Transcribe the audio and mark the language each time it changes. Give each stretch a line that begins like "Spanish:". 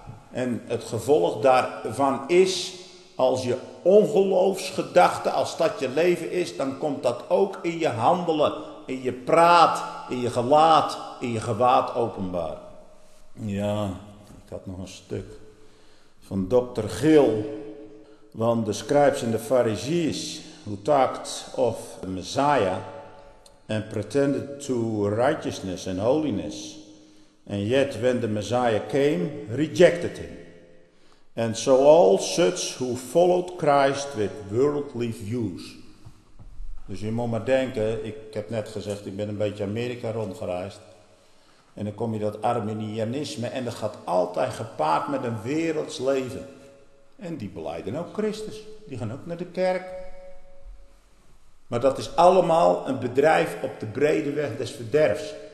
Dutch: En het gevolg daarvan is, als je ongeloofsgedachte, als dat je leven is, dan komt dat ook in je handelen, in je praat, in je gelaat, in je gewaad openbaar. Ja, ik had nog een stuk van dokter Gil. Want de
English: scribes
Dutch: en de farizeeën,
English: who talked of the Messiah and pretended to righteousness and holiness, and yet when the Messiah came, rejected him. And so all such who followed Christ with worldly views.
Dutch: Dus je moet maar denken, ik heb net gezegd, ik ben een beetje Amerika rondgereisd. En dan kom je dat Arminianisme en dat gaat altijd gepaard met een werelds leven. En die belijden ook Christus. Die gaan ook naar de kerk. Maar dat is allemaal een bedrijf op de brede weg des verderfs.